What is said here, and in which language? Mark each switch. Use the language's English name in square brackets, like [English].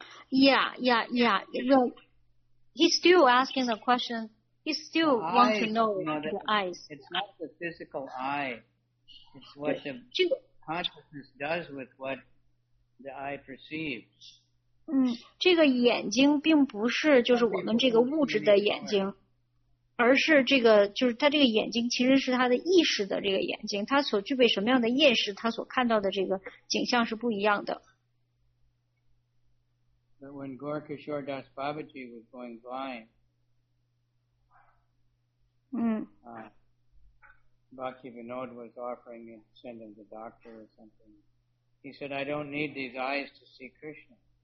[English] Yeah. He's still asking the question. He still wants to know, the eyes. It's not the physical eye. It's what the consciousness does with what the eye perceives. [Chinese] 这个眼睛并不是就是我们这个物质的眼睛，而是这个就是他这个眼睛其实是他的意识的这个眼睛，他所具备什么样的意识，他所看到的这个景象是不一样的。 [English] But when Gaur Kishore Das Babaji was going blind, Bhakti Vinod was offering him to send him to the doctor or something. He said, I don't need these eyes to see Krishna.